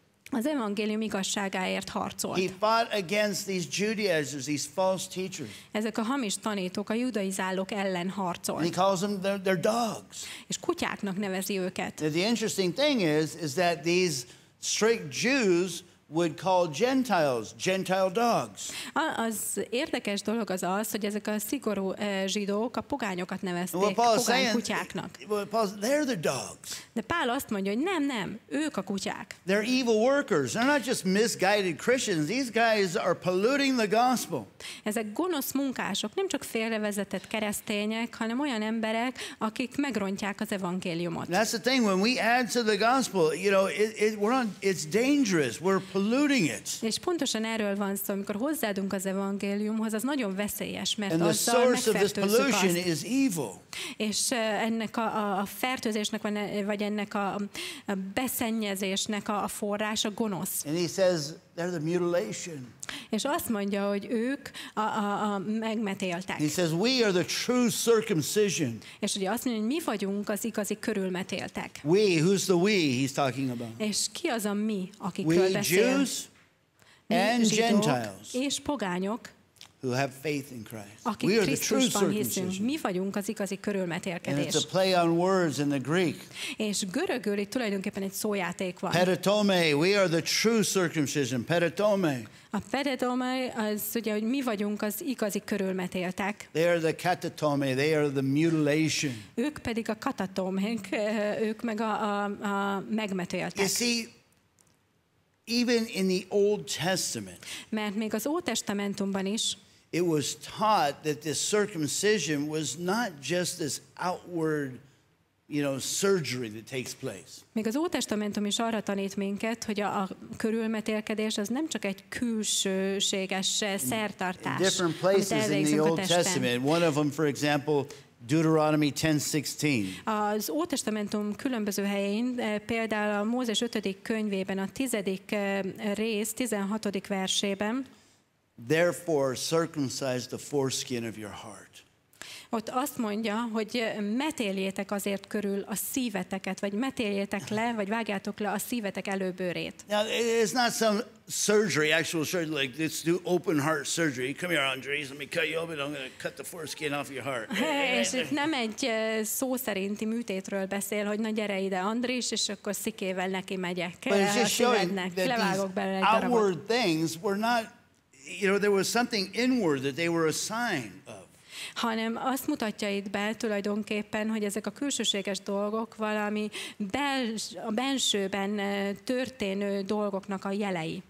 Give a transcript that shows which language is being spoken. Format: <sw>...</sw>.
<hu>Az evangélium igazságáért harcolt.</hu> <en>He fought against these Judaizers, these false teachers.</en> <hu>Ezek a hamis tanítók, a judaizálók ellen harcolt.</hu> <en>And he calls them their dogs.</en> <hu>És kutyáknak nevezi őket.</hu> <en>Now the interesting thing is that these strict Jews would call Gentile dogs.</en> <hu>Az érdekes dolog az az, hogy ezek a szigorú zsidók a pogányokat nevezték pogány kutyáknak.</hu> <en>They're the dogs.</en> <hu>De Pál azt mondja, hogy nem, ők a kutyák.</hu> <en>They're evil workers. They're not just misguided Christians. These guys are polluting the gospel.</en> <hu>Ezek gonosz munkások, nem csak félrevezetett keresztények, hanem olyan emberek, akik megrontják az evangéliumot.</hu> <en>That's the thing. When we add to the gospel, you know, it's dangerous. We're polluting it.</en> <hu>És pontosan erről van szó, amikor hozzáadunk az evangéliumhoz, az nagyon veszélyes, mert</hu> <en>and the source of this pollution is evil.</en> <hu>És ennek a fertőzésnek, vagy ennek a beszennyezésnek a forrása gonosz.</hu> <en>And he says they're the mutilation.</en> <hu>És azt mondja, hogy ők a megmetéltek.</hu> <en>He says we are the true circumcision.</en> <hu>És ugye azt mondja, hogy mi vagyunk az igazi körülmetéltek.</hu> <en>We, who's the we he's talking about?</en> <hu>És ki az a mi, akik</hu> <en>we</en> <hu>beszél?</hu> <en>Jews and</en> <hu>zsidók,</hu> <en>Gentiles.</en> <hu>És pogányok.</hu> <en>Who have faith in Christ.</en> <hu>Akik</hu> <en>we are the true circumcision.</en> <hu>Hiszünk. Mi vagyunk az igazi körülmetélkedés.</hu> <en>And it's a play on words in the Greek.</en> <hu>És görögül itt tulajdonképpen egy szójáték van.</hu> <en>Peritome, we are the true circumcision.</en> <el>Peritome.</el> <hu>A peritome az ugye, hogy mi vagyunk az igazi körülmetéltek.</hu> <en>They are the katatome, they are the mutilation.</en> <hu>Ők pedig a katatomek, ők meg a megmetéltek.</hu> <en>You see, even in the Old Testament,</en> <hu>mert még az Ótestamentumban is,</hu> <en>it was taught that this circumcision was not just this outward, you know, surgery that takes place.</en> <hu>Még az Ótestamentum is arra tanít minket, hogy a körülmetélkedés az nem csak egy külsőséges szertartás.</hu> <en>In different places in the Old Testament, one of them, for example, Deuteronomy 10:16.</en> <hu>Az Ótestamentum különböző helyén, például a Mózes 5. könyvében, a 10. rész 16. versében.</hu> <en>Therefore circumcise the foreskin of your heart.</en> <hu>Ott azt mondja, hogy metéljétek azért körül a szíveteket, vagy metéljétek le, vagy vágjátok le a szívetek előbőrét.</hu> <en>Now, it's not some surgery, actual surgery, like let's do open heart surgery. Come here, Andres, let me cut you open, I'm going to cut the foreskin off your heart.</en> <hu>És itt nem egy szó szerinti műtétről beszél, hogy na gyere ide, Andris, és akkor szikével neki megyek a szívednek. Levágok belőle egy darabot.</hu> <en>Outward things were not, you know, there was something inward that they were a sign of.</en> <hu>Hanem azt mutatja itt be tulajdonképpen, hogy ezek a külsőséges dolgok valami a bensőben történő dolgoknak a jelei.</hu>